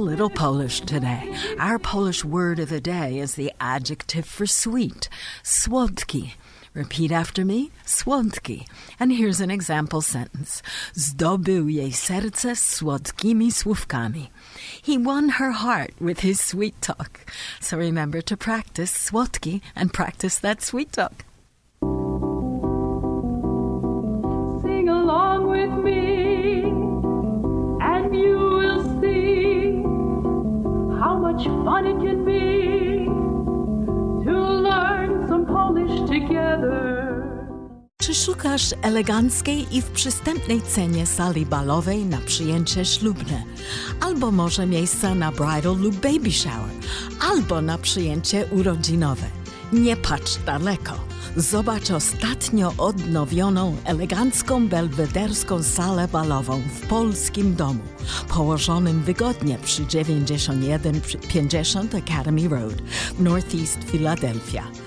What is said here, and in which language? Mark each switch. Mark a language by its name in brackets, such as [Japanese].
[English] Polish today. Our Polish word of the day is the adjective for sweet, słodki. Repeat after me, słodki. And here's an example sentence. [Polish] Zdobył jej serce słodkimi słówkami. [English] He won her heart with his sweet talk. So remember to practice słodki and practice that sweet talk. Sing along with me and you will see much fun it can be to learn some Polish together. [Polish] Czy szukasz eleganckiej i w przystępnej cenie sali balowej na przyjęcie ślubne? Albo może miejsca na bridal lub baby shower? Albo na przyjęcie urodzinowe? Nie patrz daleko. Zobacz ostatnio odnowioną, elegancką, belwederską salę balową w polskim domu, położonym wygodnie przy 9150 Academy Road, Northeast Philadelphia.